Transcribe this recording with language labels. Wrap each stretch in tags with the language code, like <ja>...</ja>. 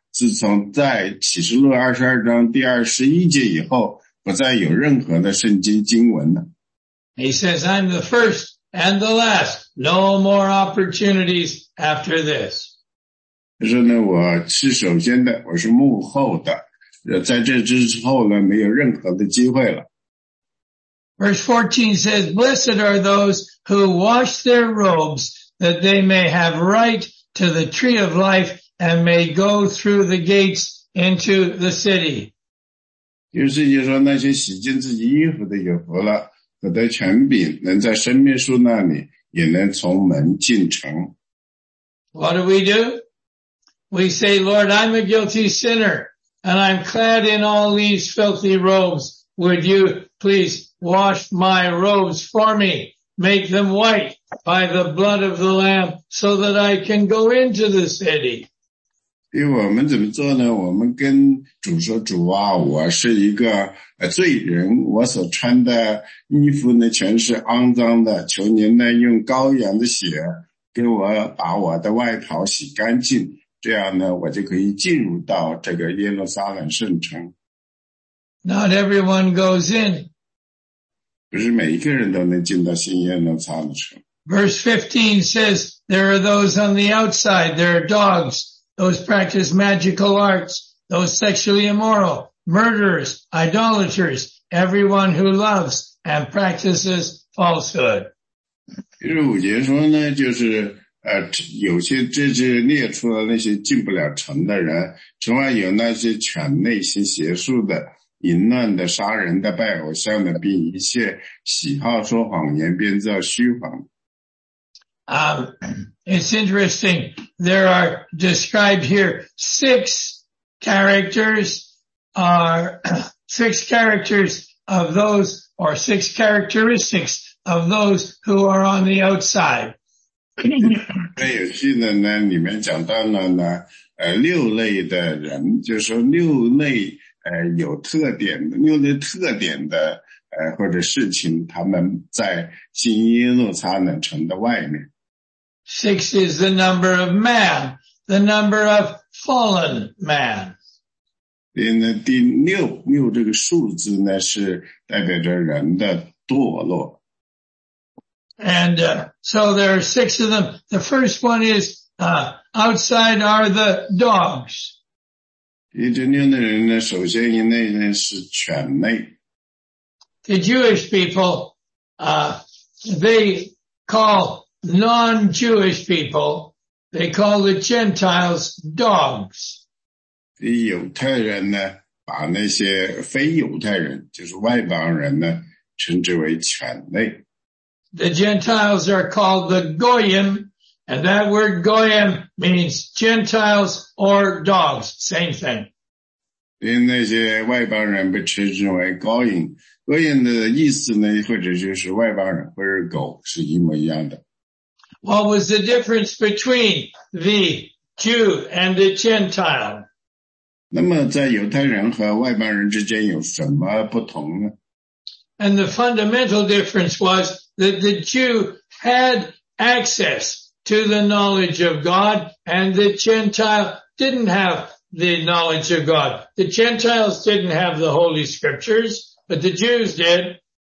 <zh>自从在启示录二十二章第二十一节以后，不再有任何的圣经经文了。</zh> <en>He says, I'm the first and the last. No more opportunities after this.</en> <zh>他说呢，我是首先的，我是幕后的。在这之后呢，没有任何的机会了。</zh> <en>Verse 14 says, Blessed are those who wash their robes, that they may have right to the tree of life and may go through the gates into the city.</en> <zh>就是就说那些洗净自己衣服的有福了，得到权柄，能在生命树那里，也能从门进城。</zh> <en>What do we do? We say, Lord, I'm a guilty sinner. And I'm clad in all these filthy robes. Would you please wash my robes for me? Make them white by the blood of the Lamb so that I can go into the city.</en> <zh>因为我们怎么做呢？我们跟主说，主啊，我是一个罪人，我所穿的衣服呢全是肮脏的，求您呢用羔羊的血给我把我的外袍洗干净。这样呢，我就可以进入到这个耶路撒冷圣城。</zh> <en>Not everyone goes in.</en> <zh>不是每一个人都能进到新耶路撒冷城。</zh> <en>Verse 15 says, there are those on the outside, there are dogs, those practice magical arts, those sexually immoral, murderers, idolaters, everyone who loves and practices falsehood.</en> <zh>第十五节说呢，就是有些这些列出了那些进不了城的人，城外有那些犬类、行邪术的、淫乱的、杀人的、拜偶像的，并一切喜好说谎言、编造虚谎。</zh> <en>It's interesting. There are described here six characters are six characters of those or six characteristics of those who are on the outside.</en> <zh>在有序的呢里面讲到了呢六类的人，就是说六类有特点的六类特点的或者事情，他们在新耶路撒冷城的外面。</zh> <en>Six is the number of man, the number of fallen man.</en> <zh>第六这个数字呢是代表着人的堕落。</zh> <en>And, so there are six of them. The first one is, outside are the dogs.</en> <zh>一直念的人呢首先一类呢是犬类。</zh> <en>The Jewish people, they call non-Jewish people, they call the Gentiles dogs.</en> <zh>犹太人呢把那些非犹太人就是外邦人呢称之为犬类。</zh> <en>The Gentiles are called the Goyim, and that word Goyim means Gentiles or dogs, same thing.</en> <zh>因那些外邦人被称之为 Goyim, Goyim 的意思呢，或者就是外邦人，或者狗，是一模一样的。</zh> <en>What was the difference between the Jew and the Gentile?</en> <zh>那么在犹太人和外邦人之间有什么不同呢？</zh> <en>And the fundamental difference was that the Jew had access to the knowledge of God and the Gentile didn't have the knowledge of God. The Gentiles didn't have the Holy Scriptures, but the Jews did.</en>